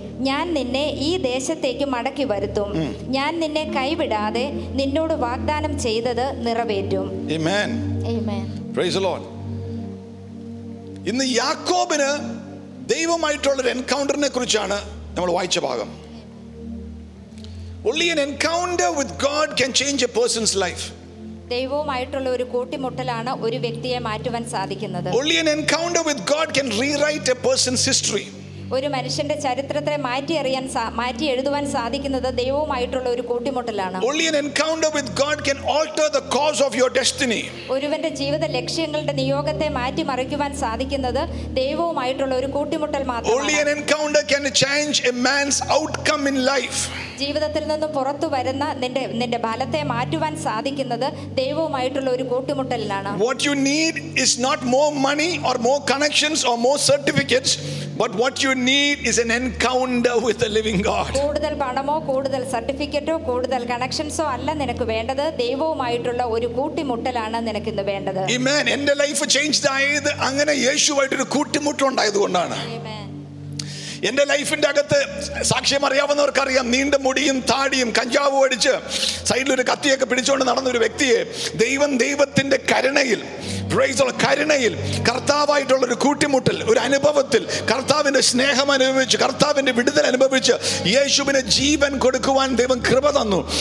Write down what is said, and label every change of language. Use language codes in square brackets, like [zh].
[ml] ഞാൻ നിന്നെ ഈ ദേശത്തേക്ക് മടക്കി വരുത്തും. ഞാൻ നിന്നെ കൈവിടാതെ നിന്നോട് വാഗ്ദാനം ചെയ്തത് നിറവേറ്റും. ആമേൻ. ആമേൻ. [en] Praise the Lord. [ml] ഇന്ന് യാക്കോബിന് ദൈവമായിട്ടുള്ള ഒരു എൻകൗണ്ടറിനെ കുറിച്ചാണ് നമ്മൾ വായിച്ച ഭാഗം. [en] Only an encounter with God can change a person's life. [ml] ദൈവവുമായിട്ടുള്ള ഒരു കൂട്ടിമുട്ടലാണ് ഒരു വ്യക്തിയെ മാറ്റുവാൻ സാധിക്കുന്നത്. [en] Only an encounter with God can rewrite a person's history. [ml] ഒരു മനുഷ്യന്റെ ചരിത്രത്തെ മാറ്റി എഴുതുവാൻ സാധിക്കുന്നത് ദൈവവുമായിട്ടുള്ള ഒരു കൂട്ടിമുട്ടലാണ്. [en] Only an encounter with God can alter the course of your destiny. [ml] ഒരുവന്റെ ജീവിത ലക്ഷ്യങ്ങളുടെ നിയോഗത്തെ മാറ്റിമറിക്കുവാൻ സാധിക്കുന്നത് ദൈവവുമായിട്ടുള്ള ഒരു കൂട്ടിമുട്ടൽ മാത്രമാണ്. [en] Only an encounter can change a man's outcome in life. [ml] ജീവിതത്തിൽ നിന്ന് പുറത്തു വരുന്ന നിന്റെ ബലത്തെ മാറ്റുവാൻ സാധിക്കുന്നത് ദൈവവുമായിട്ടുള്ള ഒരു കൂട്ടിമുട്ടലിലാണ്. [en] What you need is not more money or more connections or more certificates, but what you need is an encounter with the living God. [ml] കൂടുതൽ പണമോ കൂടുതൽ സർട്ടിഫിക്കറ്റോ കൂടുതൽ കണക്ഷൻസോ അല്ല നിനക്ക് വേണ്ടത്, ദൈവവുമായിട്ടുള്ള ഒരു കൂട്ടിമുട്ടലാണ് നിനക്ക് ഇന്ന് വേണ്ടത്. [en] Amen. [ml] എന്റെ [en] life changed [ml] ആയത് അങ്ങനെ യേശുവായിട്ട് ഒരു കൂട്ടിമുട്ടൽ ഉണ്ടായതുകൊണ്ടാണ്. എന്റെ ലൈഫിന്റെ അകത്ത് സാക്ഷ്യം അറിയാവുന്നവർക്കറിയാം, നീണ്ട മുടിയും താടിയും കഞ്ചാവും അടിച്ച് സൈഡിലൊരു കത്തിയൊക്കെ പിടിച്ചുകൊണ്ട് നടന്ന ഒരു വ്യക്തിയെ ദൈവത്തിന്റെ കരുണയിൽ, പ്രൈസുള്ള കരുണയിൽ, കർത്താവായിട്ടുള്ള ഒരു കൂട്ടിമുട്ടൽ, ഒരു അനുഭവത്തിൽ കർത്താവിന്റെ സ്നേഹം അനുഭവിച്ച്, കർത്താവിന്റെ വിടുതൽ അനുഭവിച്ച് യേശുവിന് ജീവൻ കൊടുക്കുവാൻ ദൈവം കൃപ തന്നു.